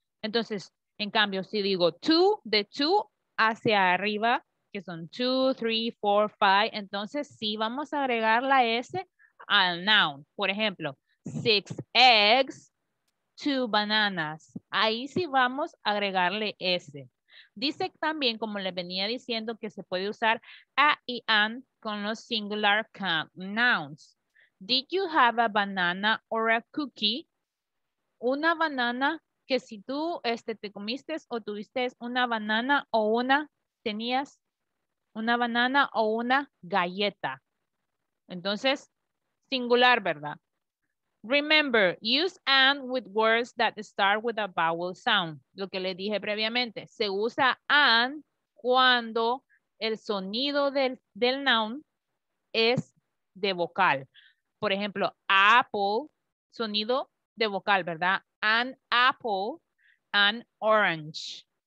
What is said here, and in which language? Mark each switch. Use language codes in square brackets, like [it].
[es] Entonces, en cambio, si digo two, de two hacia arriba, que son 2, 3, 4, 5, entonces sí vamos a agregar la S al noun. Por ejemplo, 6 eggs, 2 bananas. Ahí sí vamos a agregarle S. Dice también, como les venía diciendo, que se puede usar a y an con los singular count nouns. [en] Did you have a banana or a cookie? [es] Una banana, que si tú te comiste o tuviste una banana o una, tenías una banana o una galleta. Entonces, singular, ¿verdad? [en] Remember, use an with words that start with a vowel sound. [es] Lo que les dije previamente, se usa an cuando el sonido del noun es de vocal. Por ejemplo, apple, sonido de vocal, ¿verdad? [en] An apple, an orange.